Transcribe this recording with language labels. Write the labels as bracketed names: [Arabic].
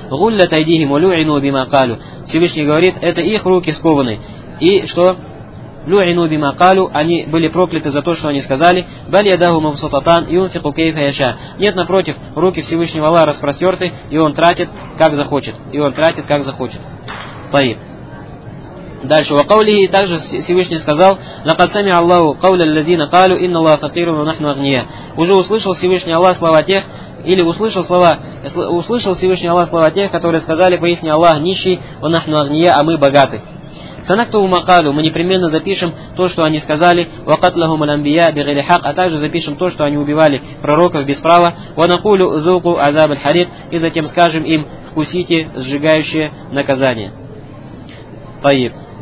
[Russian] Гуллят айдихим улюину бимакалю. Всевышний говорит, это их руки скованы. И что? Люину бимакалю, они были прокляты за то, что они сказали. Бали ядаху мавсататан юнфику кейфа яша. Нет, напротив, руки Всевышнего Аллаха распростерты, и он тратит, как захочет. И он тратит, как захочет. Таиб. Дальше [Arabic] وقوله, [Russian] также Всевышний сказал, [Arabic] لقد سمع الله قول الذين قالوا إن الله فقير ونحن أغنياء. [Russian] Уже услышал Всевышний Аллах слова тех, или услышал Всевышний Аллах слова тех, которые сказали, поистине Аллах нищий, [Arabic] ونحن أغنياء, [Russian] а мы богаты. [Arabic] سنكتب ما قالوا, [Russian] мы непременно запишем то, что они сказали, [Arabic] وقتلهم الأنبياء بغير حق, [Russian] а также запишем то, что они убивали пророков без права, [Arabic] ونقول ذوقوا عذاب الحريق, [Russian] и затем скажем им, вкусите сжигающее наказание. Таиб.